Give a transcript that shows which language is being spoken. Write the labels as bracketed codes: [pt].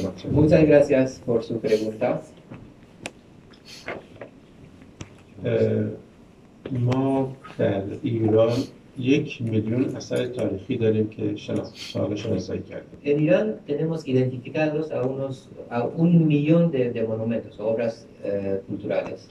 [es] Muchas gracias por su pregunta. [fa] ما در ایران یک میلیون اثر تاریخی داریم که شناسایی کردیم. در ایران [es] tenemos identificados a un millón de monumentos, obras culturales.